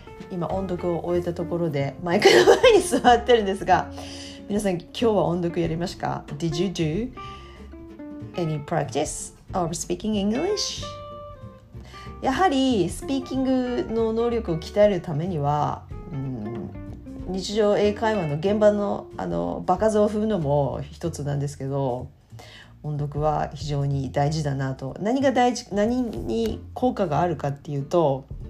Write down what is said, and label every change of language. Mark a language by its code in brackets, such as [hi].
[ja] 今音読を終えたところでマイクの前に座ってるんですが、皆さん今日は音読やりましたか? [en] Did you do any practice of speaking English? [ja] やはりスピーキングの能力を鍛えるためには、うん、日常英会話の現場の、あの、場数を踏むのも一つなんですけど音読は非常に大事だなと何に効果があるかっていうと